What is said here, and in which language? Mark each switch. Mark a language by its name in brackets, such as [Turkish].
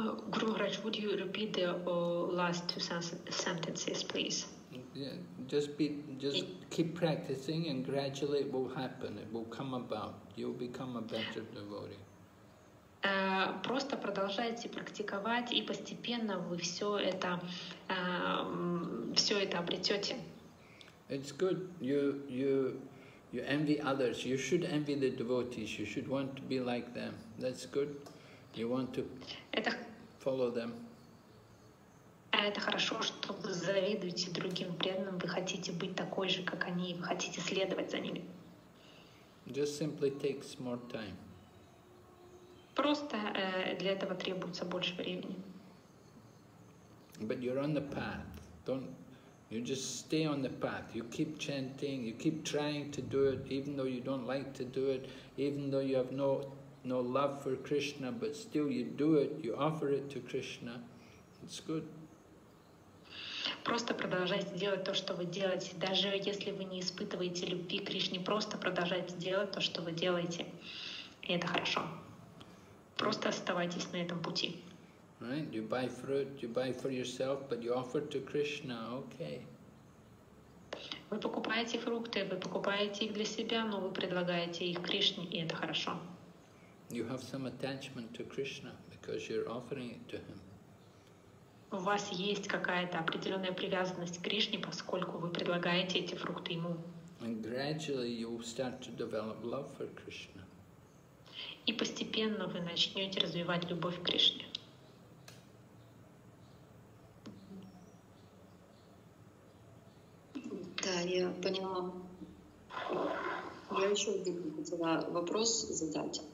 [English] Guru Maharaj, would you repeat the last two sentences, please? Just keep practicing, and gradually it will happen. It will come about. You'll become a better devotee. [Russian] Просто продолжайте практиковать, и постепенно вы все это обретете. [English] It's good. You envy others. You should envy the devotees. You should want to be like them. That's good. You want to follow them. [Russian] Это хорошо, что вы завидуете другим преданным. Вы хотите быть такой же, как они. Вы хотите следовать за ними. [English] Just simply takes more time. [Russian] Просто для этого требуется больше времени. [English] But you're on the path. Don't you just stay on the path. You keep chanting. You keep trying to do it, even though you don't like to do it, even though you have no love for Krishna, but still you do it. You offer it to Krishna. It's good. [Russian] Просто продолжайте делать то, что вы делаете, даже если вы не испытываете любви к Кришне. Просто продолжайте делать то, что вы делаете, и это хорошо. Просто оставайтесь на этом пути. [English] Right? You buy fruit, you buy for yourself, but you offer to Krishna. Okay. [Russian] Вы покупаете фрукты, вы покупаете их для себя, но вы предлагаете их Кришне, и это хорошо. [English] You have some attachment to Krishna because you're offering it to him. [Russian] У вас есть какая-то определенная привязанность к Кришне, поскольку вы предлагаете эти фрукты ему. [English] And gradually you start to develop love for Krishna. [Russian] И постепенно вы начнете развивать любовь к Кришне. Да, я поняла. Я еще один хотела вопрос задать.